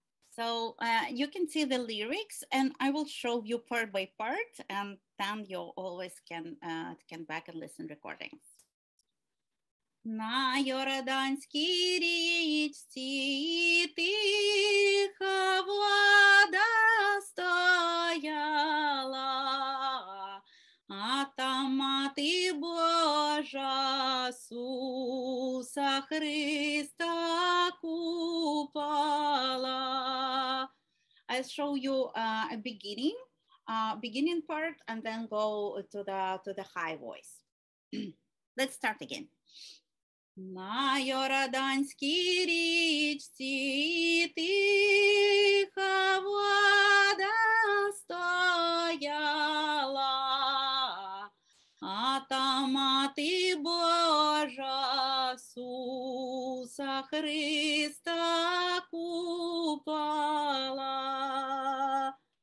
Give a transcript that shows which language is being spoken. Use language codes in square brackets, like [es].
[en] So you can see the lyrics, and I will show you part by part, and then you always can back and listen recording. [uk] На Йорданській річці тиха вода стояла, а там мати Божа Суса Христа купала. [en] I'll show you a beginning part, and then go to the high voice. Let's start again. [uk] На Йорданській річці тиха вода стояла, а там мати Божа Суса Христа купала.